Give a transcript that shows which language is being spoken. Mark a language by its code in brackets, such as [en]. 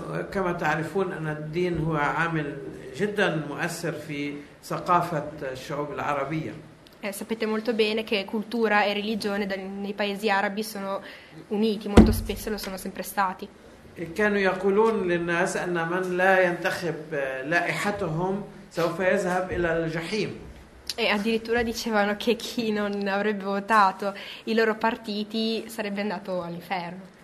[ar] كما تعرفون أن الدين هو عامل جدا مؤثر في ثقافة الشعوب العربية. [it] Sapete molto bene che cultura e religione nei paesi arabi sono uniti molto spesso, lo sono sempre stati. [ar] كانوا يقولون للناس أن من لا ينتخب لائحتهم سوف يذهب إلى الجحيم. [it] E addirittura dicevano che chi non avrebbe votato i loro partiti sarebbe andato all'inferno.